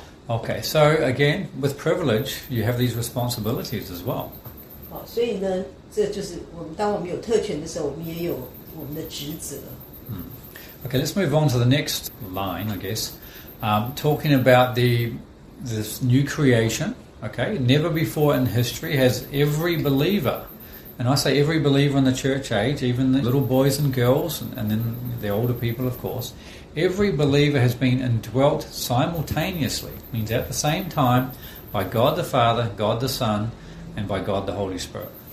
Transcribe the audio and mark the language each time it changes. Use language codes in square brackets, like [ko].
[en] Okay, so again, with privilege, you have these responsibilities as well. [zh] 好，所以呢。这就是我们当我们有特权的时候，我们也有我们的职责。 [en] Okay, let's move on to the next line, I guess. Talking about this new creation. Okay, never before in history has every believer, and I say every believer in the church age, even the little boys and girls, and then the older people, of course, every believer has been indwelt simultaneously, means at the same time, by God the Father, God the Son, and by God the Holy Spirit.